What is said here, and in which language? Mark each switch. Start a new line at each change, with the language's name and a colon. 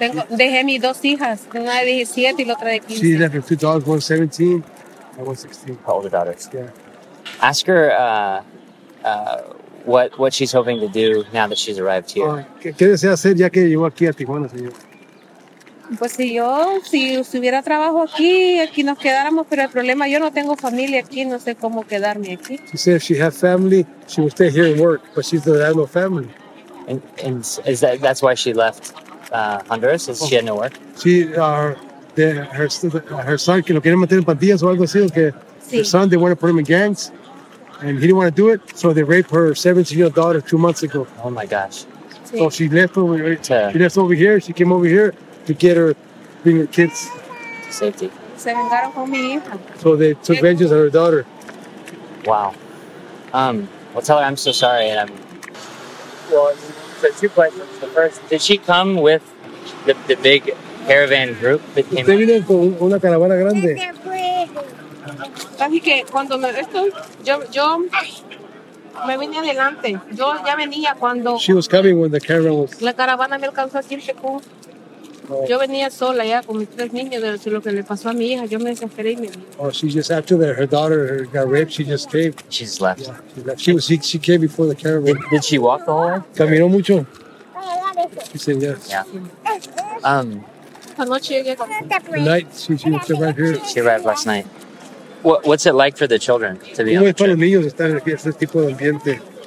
Spanish: Dejé mis dos hijas, una de 17 y la otra de 15.
English: She left her two dogs, one 17 and one 16. How old are daughters? Yeah. Ask her what she's hoping to do now that she's arrived here.
Spanish: ¿Qué desea hacer ya que llegó aquí a Tijuana, señor? Pues si hubiera trabajo aquí nos quedáramos, pero el problema, yo no tengo familia aquí, no sé cómo quedarme aquí.
English: She said if she had family, she would stay here and work, but she doesn't have no family. And is that, that's why she left? Honduras, is she had no work. Her son,
Spanish: que lo quieren meter en pandillas o algo así, que sí.
English: Her son, they want to put him in gangs. and he didn't want to do it, so they raped her 17-year-old daughter 2 months ago. Oh my gosh. So she left over here. She left over here. She came over here to get her, bring her kids. Safety. So they took vengeance on her daughter. Wow. Well, tell her I'm so sorry. And I'm. Well, so two questions. The first, did she come with the big caravan group that came? They
Spanish: vienen con una caravana grande. Así que cuando me esto, yo me vine adelante. Yo ya venía cuando.
English: She was coming when the caravan was.
Spanish: La caravana me alcanzó aquí en Tecú. Yo venía sola ya con mis tres niños de lo que le pasó a mi hija. Yo me desesperé y me.
English: Oh, she just after that, her daughter got raped. She just came. She's left. Yeah, she left. She came before the caravan. Did she walk the whole way?
Spanish: Caminó mucho.
English: She said yes. Yeah. Tonight, she was right here. She arrived last night. What's it like for the children to be on the trip?
Spanish: Todos los niños están en este tipo de ambiente.